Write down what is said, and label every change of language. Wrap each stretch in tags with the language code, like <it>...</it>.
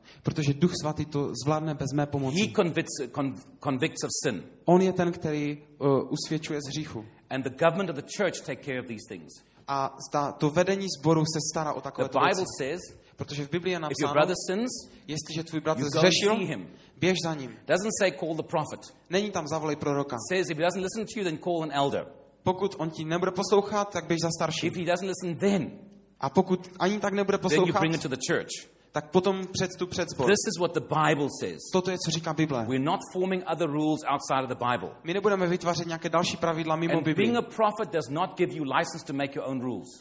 <cs>Protože Duch svatý to zvládne bez mé pomoci.</cs> <en>He convicts of sin.</en> <cs>On je ten, který usvědčuje z hříchu.</cs> <en>And the government of the church take care of these things.</en> <cs>A to vedení sboru se stará o takové věci.</cs> <en>The Bible says,</en> <cs>protože v Biblii je napsáno,</cs> <en>if your brother sins,</en> <cs>jestliže tvůj bratr zřešil, běž za ním.</cs> <en>Doesn't say call the prophet.</en> <cs>Není tam zavolej proroka.</cs> <en>It says if he doesn't listen to you, then call an elder.</en> <cs>Pokud on ti nebude poslouchat, tak běž za starším.</cs> <en>If he doesn't listen, then.</en> <cs>A pokud ani tak nebude poslouchat,</cs> <en>then you bring it to the church.</en> <cs>Tak potom předstup před sbor.</cs> <en>This is what the Bible says.</en> <cs>Toto je, co říká Bible.</cs> <en>We're not forming other rules outside of the Bible.</en> <cs>My nebudeme vytvářet nějaké další pravidla mimo Bibli.</cs> <en>And being a prophet does not give you license to make your own rules.</en>